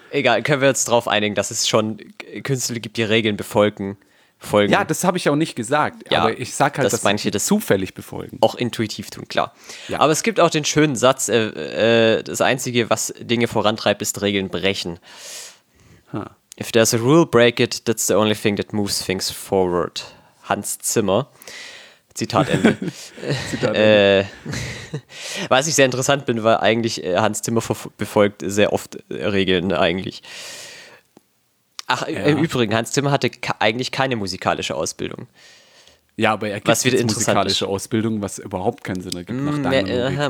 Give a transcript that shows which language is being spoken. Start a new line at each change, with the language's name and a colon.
German: Egal, können wir jetzt darauf einigen, dass es schon Künstler gibt, die Regeln befolgen. Ja, das habe ich auch nicht gesagt, aber ich sage halt, dass manche das zufällig befolgen. Auch intuitiv tun, klar. Ja. Aber es gibt auch den schönen Satz, das Einzige, was Dinge vorantreibt, ist Regeln brechen. Huh.
English: If there's a rule, break it, that's the only thing that moves things forward.
German: Hans Zimmer. Zitat Ende. was ich sehr interessant bin, weil eigentlich Hans Zimmer befolgt sehr oft Regeln eigentlich. Ach, ja. Im Übrigen, Hans Zimmer hatte eigentlich keine musikalische Ausbildung. Ja, aber er gibt eine musikalische Ausbildung, was überhaupt keinen Sinn ergibt.